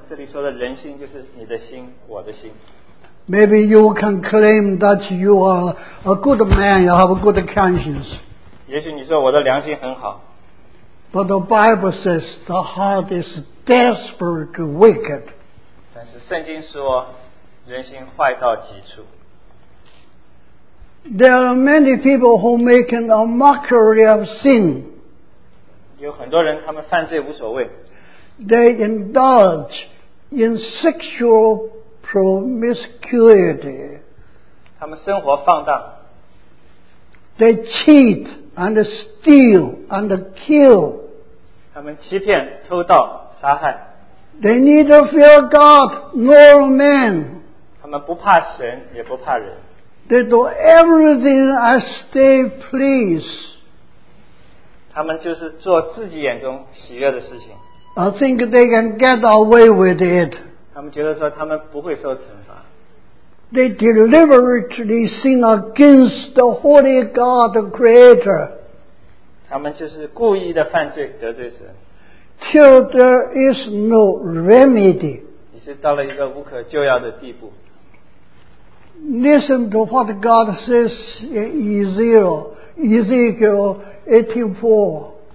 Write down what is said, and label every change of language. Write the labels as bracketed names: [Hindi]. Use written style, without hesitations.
[Chinese] 这里说的人心就是你的心，我的心。 [English] Maybe you can claim that you are a good man, you have a good conscience. [Chinese] 也许你说我的良心很好。 [English] But the Bible says the heart is desperately wicked. [Chinese] 但是圣经说，人心坏到极处。 [English] There are many people who make a mockery of sin. [Chinese] 有很多人他们犯罪无所谓。 [English] They indulge in sexual promiscuity. [Chinese] 他们生活放荡。 [English] They cheat and steal and kill. [Chinese] 他们欺骗、偷盗、杀害。 [English] They neither fear God nor man. [Chinese] 他们不怕神，也不怕人。 [English] They do everything as they please. [Chinese] 他们就是做自己眼中喜悦的事情。 [English] I think they can get away with it. [Chinese] 他们觉得说他们不会受惩罚。 [English] They deliberately sin against the Holy God, the Creator. [Chinese] 他们就是故意的犯罪得罪神。 [English] Till there is no remedy. [Chinese] 你是到了一个无可救药的地步。 [English] Listen to what God says in Ezekiel 18:4.